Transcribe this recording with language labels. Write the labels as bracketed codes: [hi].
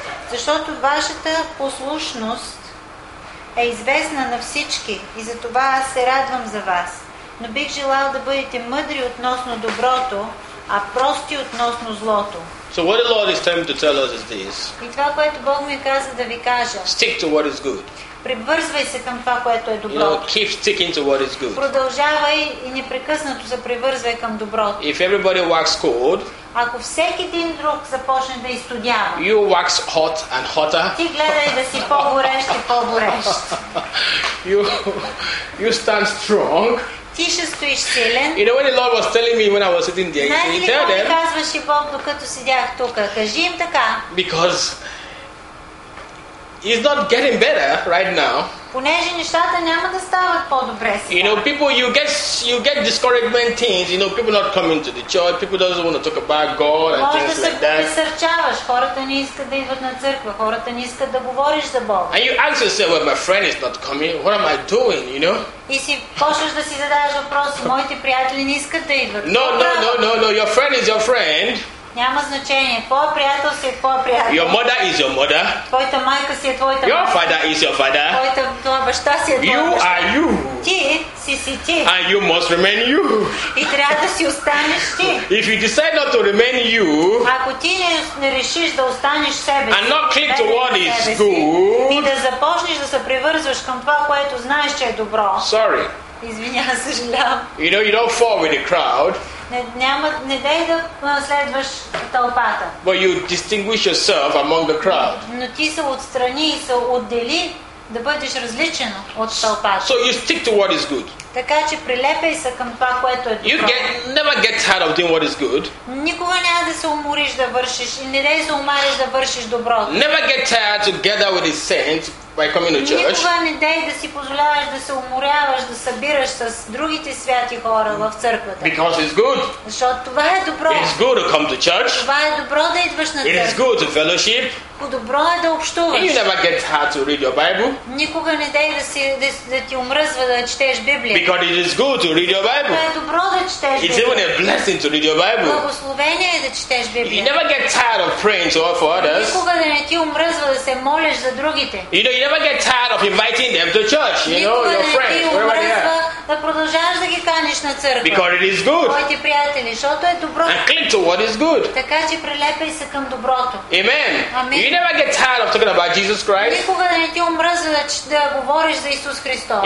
[bg] Защото вашата послушност е известна на всички и затова аз се радвам за вас. Но бих желал да бъдете мъдри относно доброто, а прости относно злото. [en] So what the Lord is telling to tell us is this. [bg] И това, което Бог ми каза да ви кажа. [en] Stick to what is good. [bg] Привързвай се към това, което е добро. [en] You know, keep sticking to what is good. [bg] Продължавай и непрекъснато се привързвай към доброто. [en] If everybody works cold, [bg] ако всеки един друг започне да изстудява, [en] you wax hot and hotter. [bg] Ти гледай да си по-горещ и по-горещ. [en] You stand strong. [bg] Ти ще стоиш силен. [en] You know what the Lord was telling me when I was sitting there? [bg] Знаете ли какво ми казваше Бог, докато седях тука? Кажи им така. [en] Because it's not getting better right now. [bg] Понеже нещата няма да стават по-добре сега. [en] You know, people, you get discouragement things. You know, people not coming to the church. People doesn't want to talk about God and things like that. [bg] Може да се пресърчаваш. Хората не искат да идват на църква. Хората не искат да говориш за Бог. [en] And you ask yourself, well, my friend is not coming. What am I doing? You know? [bg] И си почваш да си задаваш въпрос. Моите приятели не искат да идват. [en] No. Your friend is your friend. [bg] Няма значение. Твоя приятел си е твоя приятел. [en] Your mother is your mother. [bg] Твоята майка си е твоята майка. [en] Your father is your father. [bg] Твоя баща си е твоя [en] you [bg] баща. [en] Are you. [bg] Ти си си ти. [en] And you must remain you. [bg] И трябва да си останеш ти. [en] If you decide not to remain you, [bg] ако ти не решиш да останеш себе си, [en] and not cling to what is good, [bg] и да започнеш да се привързваш към това, което знаеш, че е добро. [en] Sorry. [bg] Извинявам, съжалявам. [en] You know, you don't fall with the crowd. [bg] Не дай да следваш тълпата. [en] But you distinguish yourself among the crowd. [bg] Но ти се отстрани и се отдели да бъдеш различен от тълпата. [en] So you stick to what is good. [bg] Така че прилепяй се към това, което е добро. [en] You never get tired of doing what is good. [bg] Никога няма да се умориш да вършиш и не дай да се умориш да вършиш доброто. [en] Never get tired together with the saints. By coming to church. [bg] Никога не дей да си позволяваш да се уморяваш, да събираш с другите святи хора в църквата. [en] Because it's good. [bg] Защото това е добро. [en] It's good to come to church. [bg] Това е добро да идваш на църква. [en] It is good to fellowship. [bg] Добро е да общуваш. [en] And you never get hard to read your Bible. [bg] Никога не дей да ти умръзва да четеш Библия. [en] Because it is good to read your Bible. [bg] Това е добро да четеш Библия. [en] It's even a blessing to read your Bible. [bg] Благословение е да четеш Библия. [en] You never get tired of praying to offer others. [bg] Никога не ти умръзва да се молиш за другите. [en] You never get tired of inviting them to church, you know, your friends, wherever they are. [bg] Да продължаваш да ги каниш на църква. [en] Because it is good. [bg] Твоите приятели, защото е добро. [en] And cling to what is good. [bg] Така че прилепяй се към доброто. [en] Amen. [bg] Амин. [en] You never get tired of talking about Jesus Christ. [bg] Никога не ти умръзва да говориш за Исус Христос.